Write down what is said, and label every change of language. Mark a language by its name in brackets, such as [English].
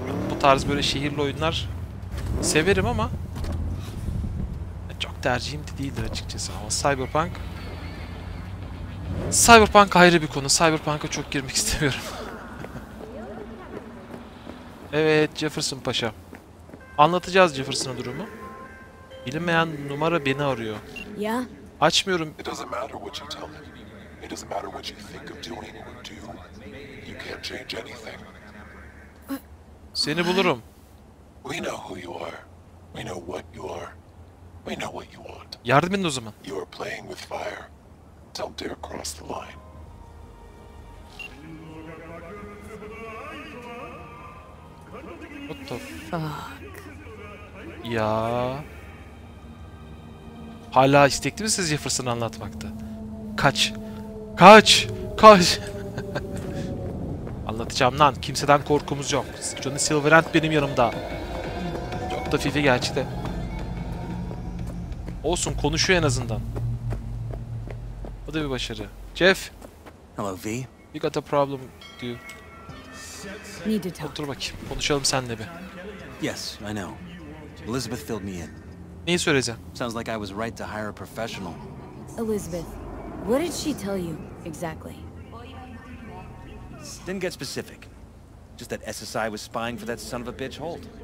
[Turkish] Bu tarz böyle şehirli oyunlar severim ama çok tercihim de değildir açıkçası ama Cyberpunk... Cyberpunk ayrı bir konu. Cyberpunk'a çok girmek istemiyorum. Evet, Jefferson Paşa. Anlatacağız Jefferson'a durumu. Bilinmeyen numara beni arıyor. Ya? Açmıyorum. [English] It doesn't matter what you tell him. It doesn't matter what you think of doing or do. You can't change anything. [Turkish] Seni bulurum. [English] We know who you are. We know what you are. We know what you want. [Turkish] Yardım edin o zaman. [English] You are playing with fire. Don't dare cross the line. What the fuck? [Turkish] Ya. Hala istekli misiniz Jefferson'ı anlatmakta? Kaç! Kaç! Kaç! Anlatacağım lan, kimseden korkumuz yok. Johnny Silverhand benim yanımda. Çok da Fifi gerçi de. Olsun, konuşuyor en azından. Bu da bir başarı. Jeff! [English] Hello V. You got a problem, do you? Need to talk. [Turkish] Otur bakayım, konuşalım seninle bir. [English] Yes, I know. Elizabeth filled me in. [Turkish] Neyi söyleyeceğim? [English] Sounds like I was right to hire a professional. Elizabeth, what did she tell you exactly? Didn't get specific. Just that SSI was spying for that son of a bitch Holt.